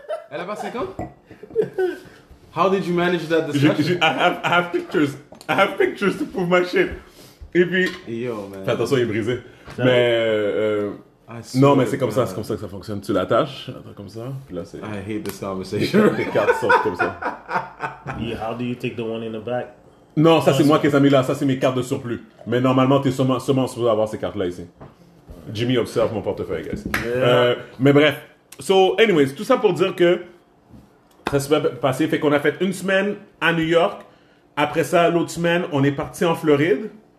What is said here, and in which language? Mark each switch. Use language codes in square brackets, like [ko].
[fr] Elle a pas 5 ans? [en] How did you manage that discussion? I have pictures. I have pictures to prove my shit. [fr] Et puis, [en] yo, man. [fr] Fais attention, il est brisé. Mais, non, mais c'est comme ça, c'est comme ça que ça fonctionne. Tu l'attaches, comme ça, puis là, c'est... [en] I hate this conversation. [fr] Les cartes sortent comme ça. [en] How do you take the one in the back? [fr] Non, ça, c'est moi qui les ai mis là. Ça, c'est mes cartes de surplus. Mais normalement, t'es sûrement supposé avoir ces cartes-là ici. Jimmy observe mon portefeuille, guys. [en] Yeah. [fr] Mais bref. [en] So, anyways, [fr] tout ça pour dire que ça s'est passé. Fait qu'on a fait une semaine à New York. Après ça, l'autre semaine, on est parti en Floride.